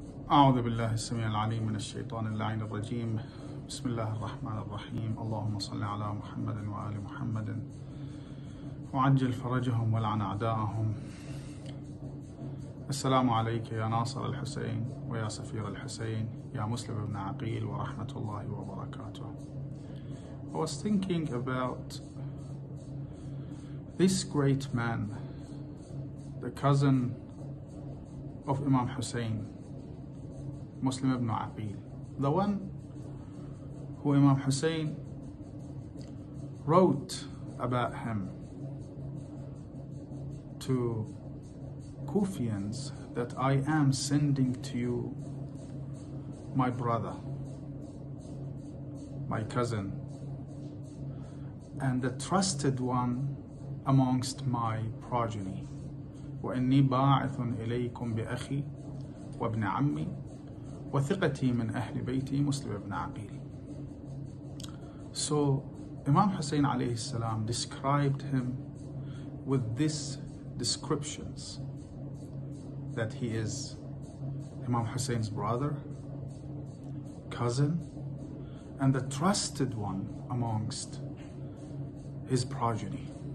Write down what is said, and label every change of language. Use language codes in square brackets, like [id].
[ar] أعوذ بالله السميع العليم من الشيطان اللعين الرجيم بسم الله الرحمن الرحيم اللهم صل على محمد وآل محمد وعجل فرجهم ولعن أعداءهم السلام عليك يا ناصر الحسين ويا سفير الحسين يا مسلم بن عقيل ورحمة الله وبركاته. [en] I was thinking about this great man, the cousin of Imam Hussein, Muslim ibn Aqeel, the one who Imam Hussein wrote about him to Kufians, that I am sending to you my brother, my cousin, and the trusted one amongst my progeny. [ar] وإني باعث إليكم بأخي وابن عمي وثقتي من أهل بيتي مسلم بن عقيل. [en] So Imam Hussein عليه السلام described him with this descriptions, that he is Imam Hussein's brother, cousin, and the trusted one amongst his progeny.